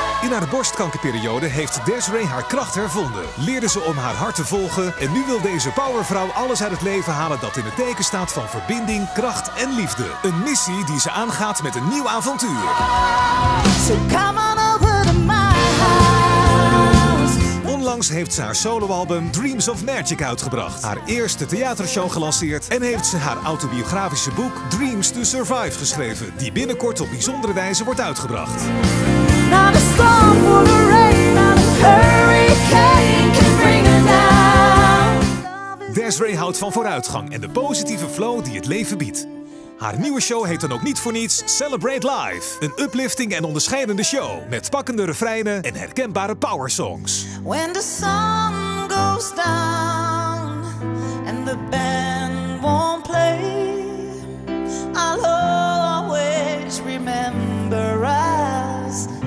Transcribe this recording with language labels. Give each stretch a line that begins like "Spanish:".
Dutch: In haar borstkankerperiode heeft Desiree haar kracht hervonden. Leerde ze om haar hart te volgen. En nu wil deze powervrouw alles uit het leven halen dat in het teken staat van verbinding, kracht en liefde. Een missie die ze aangaat met een nieuw avontuur.
English: So come on over to my house.
Dutch: Onlangs heeft ze haar soloalbum Dreams of Magic uitgebracht. Haar eerste theatershow gelanceerd. En heeft ze haar autobiografische boek Dreams to Survive geschreven. Die binnenkort op bijzondere wijze wordt uitgebracht.
English: Not a storm for the rain, not a hurricane can bring her down.
Dutch: Desiree houdt van vooruitgang en de positieve flow die het leven biedt. Haar nieuwe show heet dan ook niet voor niets Celebrate Life. Een uplifting en onderscheidende show met pakkende refreinen en herkenbare powersongs.
English: When the sun goes down and the band won't play, I'll always remember us.